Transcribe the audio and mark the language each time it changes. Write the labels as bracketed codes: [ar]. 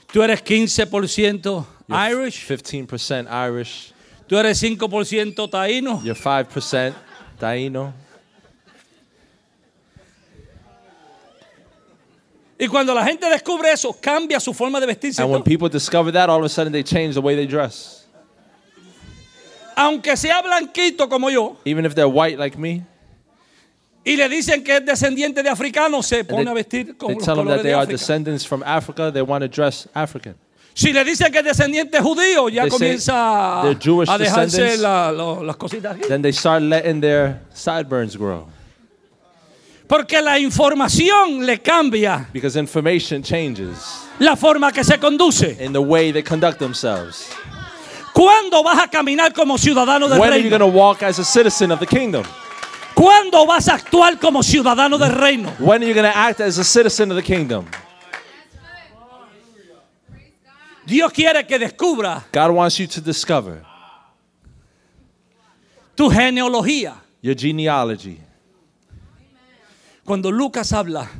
[es] tú eres 15% [en] you're Irish, 15% Irish, [es] tú eres 5% Taíno, [en] you're 5% Taíno. [es] Y cuando la gente descubre eso, cambia su forma de vestirse. [en] And when people discover that, all of a sudden they change the way they dress. [es] Aunque sea blanquito como yo. [en] Even if they're white like me. [es] Y le dicen que es descendiente de africano, se pone a vestir como los colores de [en] África. They tell them that they are descendants from Africa, they want to dress African. [es] Si le dicen que es descendiente judío, ya comienza a dejarse las cositas. [en] Then they start letting their sideburns grow. [es] Porque la información le cambia. [en] Because information changes. [es] La forma que se conduce. [en] In the way they conduct themselves. [es] ¿Cuándo vas a caminar como ciudadano del [en] When [es] reino? [en] When are you going to walk as a citizen of the kingdom? [es] ¿Cuándo vas a actuar como ciudadano del reino? [en] When are you going to act as a citizen of the kingdom? [es] Dios quiere que descubra. [en] God wants you to discover. [es] Tu genealogía. [en] Your genealogy. [es] Cuando Lucas habla